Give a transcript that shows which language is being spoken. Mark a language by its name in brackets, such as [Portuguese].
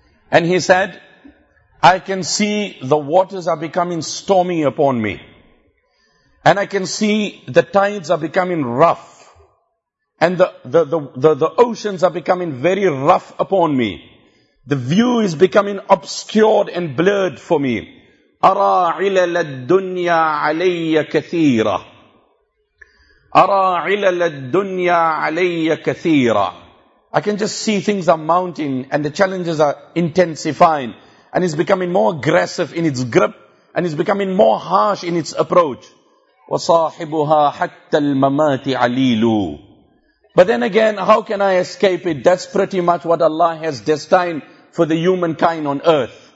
[English] And he said, I can see the waters are becoming stormy upon me. And I can see the tides are becoming rough. And the oceans are becoming very rough upon me. The view is becoming obscured and blurred for me. [Arabic] أَرَى عِلَلَ الدُّنْيَا عَلَيَّ كَثِيرًا. أَرَى عِلَلَ الدُّنْيَا عَلَيَّ كَثِيرًا. [English] I can just see things are mounting and the challenges are intensifying and it's becoming more aggressive in its grip and it's becoming more harsh in its approach. [Arabic] وَصَاحِبُهَا حَتَّى الْمَمَاتِ عَلِيلُ. [English] But then again, how can I escape it? That's pretty much what Allah has destined for the humankind on earth.